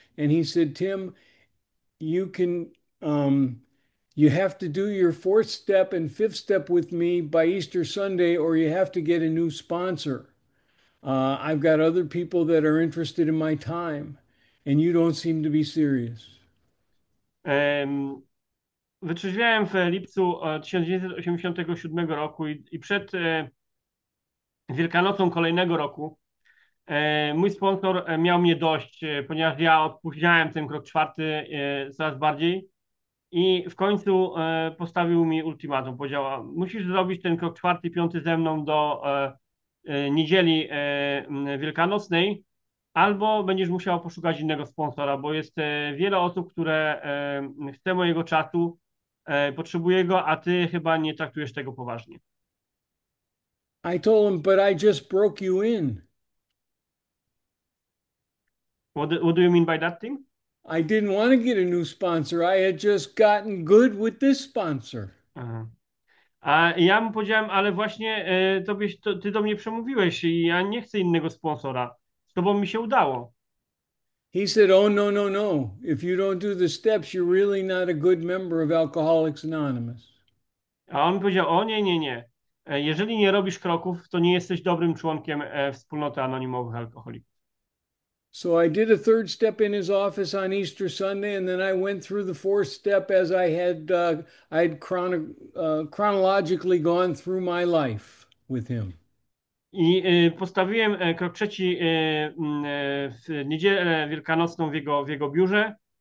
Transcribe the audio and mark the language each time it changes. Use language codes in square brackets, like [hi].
[en] And he said, Tim, you have to do your fourth step and fifth step with me by Easter Sunday, or you have to get a new sponsor. I've got other people that are interested in my time, and you don't seem to be serious. [pl] Wytrzeźwiałem w lipcu 1987 roku i przed Wielkanocą kolejnego roku mój sponsor miał mnie dość, ponieważ ja opóźniałem ten krok czwarty coraz bardziej i w końcu postawił mi ultimatum. Powiedział: musisz zrobić ten krok czwarty, piąty ze mną do niedzieli Wielkanocnej. Albo będziesz musiał poszukać innego sponsora, bo jest wiele osób, które chce mojego czasu, potrzebuje go, a ty chyba nie traktujesz tego poważnie. [en] I told him, but I just broke you in. What do you mean by that thing? I didn't want to get a new sponsor. I had just gotten good with this sponsor. [pl] A ja mu powiedziałem, ale właśnie ty do mnie przemówiłeś i ja nie chcę innego sponsora. To bo mi się udało. [en] He said, Oh, no. If you don't do the steps, you're really not a good member of Alcoholics Anonymous. [pl] A on powiedział: o nie. Jeżeli nie robisz kroków, to nie jesteś dobrym członkiem wspólnoty anonimowych alkoholików. [en] So I did a third step in his office on Easter Sunday, and then I went through the fourth step as I had chronologically gone through my life with him. [pl] I postawiłem krok trzeci w niedzielę Wielkanocną w jego biurze